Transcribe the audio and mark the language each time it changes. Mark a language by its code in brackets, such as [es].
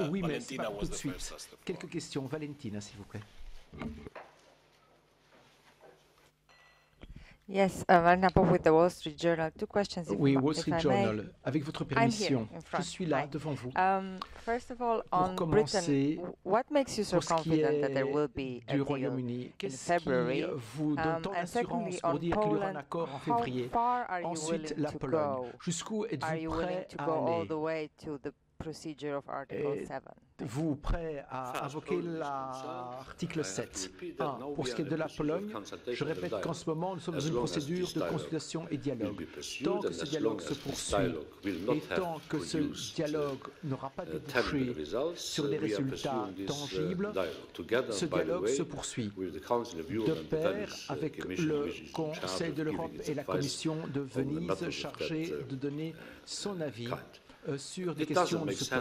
[fr] oui, mais ce n'est pas tout de suite. Quelques questions. Valentina, s'il vous plaît. [en] Yes, Marina Popov with the Wall Street Journal. Two questions, [fr] oui, Wall Street Journal. Avec votre permission, je suis là devant vous. [en] First of all, on Britain, what makes you so confident that there will be a deal in February? And secondly, on Poland, how far are you willing to go? Are you willing to go all the way to the procedure of Article 7? [fr] Vous prêt à invoquer l'article 7. Pour ce qui est de la Pologne, je répète qu'en ce moment, nous sommes dans une procédure de consultation et dialogue. Tant que ce dialogue se poursuit et tant que ce dialogue n'aura pas débouché sur des résultats tangibles, ce dialogue se poursuit de pair avec le Conseil de l'Europe et la Commission de Venise chargée de donner son avis sur des questions de ce